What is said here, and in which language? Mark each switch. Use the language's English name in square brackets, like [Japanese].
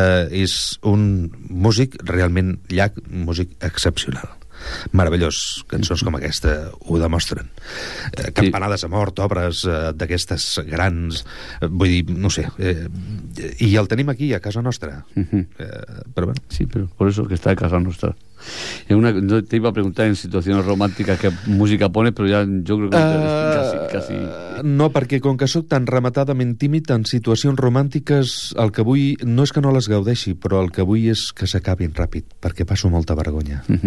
[Catalan] És un músic realment llac, un músic excepcional. Meravellós, cançons com aquesta ho demostren. Campanades a mort, obres d'aquestes grans, vull dir, no sé, i el tenim aquí a casa nostra. Però bé, sí, però per això que està a casa nostra. [Spanish] No te iba a preguntar en situaciones románticas qué música pone, pero ya yo creo que casi... [Catalan] No, perquè com que sóc tan rematadament tímid en situacions romàntiques, el que vull no és que no les gaudeixi, però el que vull és que s'acabin ràpid, perquè passo molta vergonya.